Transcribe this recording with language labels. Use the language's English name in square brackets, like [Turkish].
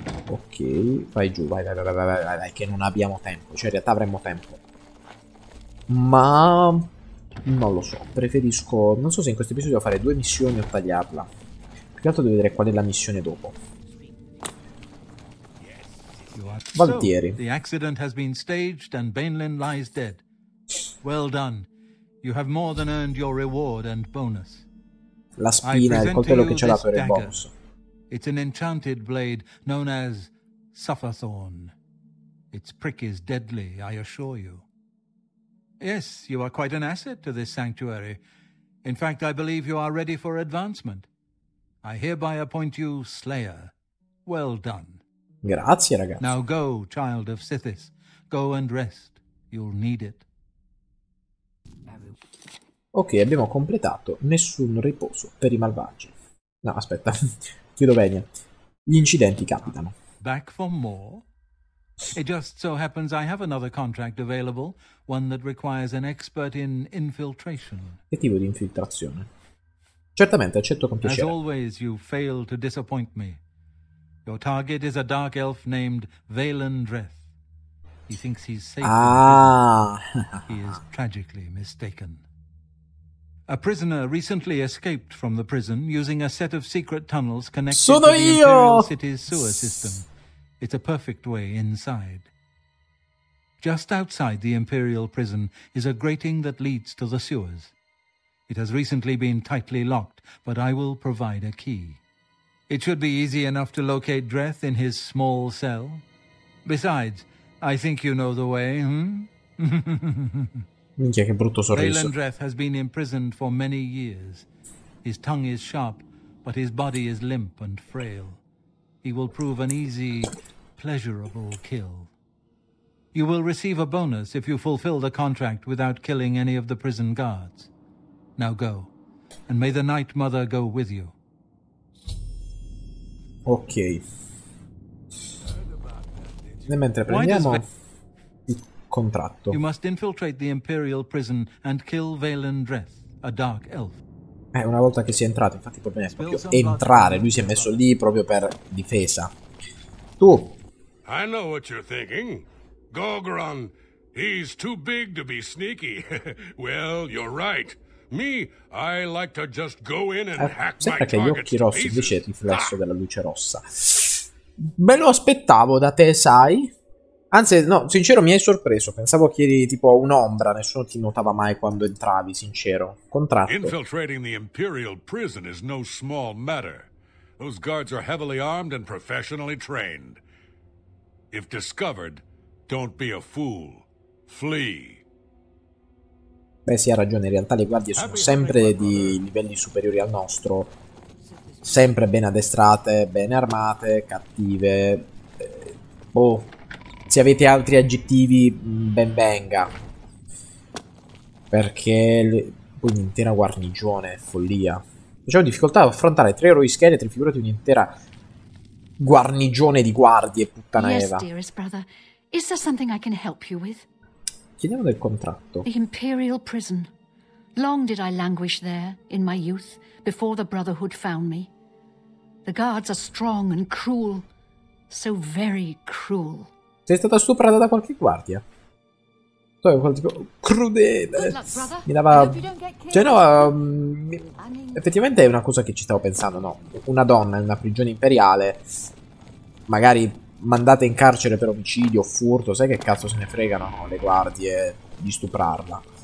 [Italian] Ok, vai giù, vai, vai, vai, vai, vai, vai, che non abbiamo tempo, cioè in realtà avremmo tempo. Ma non lo so, preferisco, non so se in questo episodio fare due missioni o tagliarla. Più che altro devo vedere qual è la missione dopo. Valtieri. [English] The accident has been staged and Baenlin lies dead. Well done. You have more than earned your reward and bonus. [Italian] La spina, il coltello che ci ha dato era il bonus. [English] It's an enchanted blade known as Sufferthorn. Its prick is deadly, I assure you. Yes, you are quite an asset to this sanctuary. In fact, I believe you are ready for advancement. I hereby appoint you Slayer. Well done. [Italian] Grazie, ragazzi. [English] Now go, child of Sithis. Go and rest. You'll need it. [Italian] Ok, abbiamo completato Nessun riposo per i malvagi. No, aspetta. Chiudo bene. Gli incidenti capitano. [English] Back for more? It just so happens I have another contract available, one that requires an expert in infiltration. [Italian] Che tipo di infiltrazione? Certamente, accetto con piacere. [English] As always, you fail to disappoint me. Your target is a dark elf named Valen Dreth. He thinks he's safe. Ah! He is tragically mistaken. A prisoner recently escaped from the prison using a set of secret tunnels connected [Italian] Sono [English] to the [Italian] io! [English] Imperial City's sewer system. It's a perfect way inside. Just outside the Imperial prison is a grating that leads to the sewers. It has recently been tightly locked, but I will provide a key. It should be easy enough to locate Dreth in his small cell. Besides, I think you know the way, hmm? [Italian] Minchia, che brutto sorriso. [English] Valen Dreth has been imprisoned for many years. His tongue is sharp, but his body is limp and frail. He will prove an easy pleasurable kill. You will receive a bonus if you fulfill the contract without killing any of the prison guards. Now go, and may the Night Mother go with you. Ok. [Italian] E mentre prendiamo il contratto. [English] You must infiltrate the Imperial prison and kill Valen Dreth, a dark elf. [Italian] Una volta che si è entrato, infatti il problema è proprio entrare, lui si è messo lì proprio per difesa. Tu. [English] I know what you're thinking. Gorgoron, he's too big to be sneaky. Well, you're right. Me, I like to just go in and hack my [Italian] targets. Che gli occhi rossi invece il riflesso della luce rossa. Me lo aspettavo da te, sai? Anzi, no, sincero, mi hai sorpreso. Pensavo che eri tipo un'ombra, nessuno ti notava mai quando entravi, sincero. Contratto. [English] Infiltrating the Imperial prison is no small matter. Those guards are heavily armed and professionally trained. If discovered, don't be a fool. Flee. [Italian] Beh, sì, ha ragione. In realtà le guardie sono sempre di livelli superiori al nostro. Sempre ben addestrate, ben armate, cattive. Boh. Se avete altri aggettivi, ben venga. Perché un'intera guarnigione, follia. Facciamo difficoltà ad affrontare tre eroi scheletri, figurati un'intera guarnigione di guardie, puttana Eva. [English] Is there something I can help you with? [Italian] Chiediamo del contratto. [English] The Imperial prison. Long did I languish there in my youth before the Brotherhood found me. The guards are strong and cruel. So very cruel. [Italian] Sei stata stuprata da qualche guardia? Tu hai qualche crudele. Mi dava. Cioè no, effettivamente è una cosa che ci stavo pensando, no? Una donna in una prigione imperiale, magari mandate in carcere per omicidio, furto, sai che cazzo se ne fregano le guardie di stuprarla.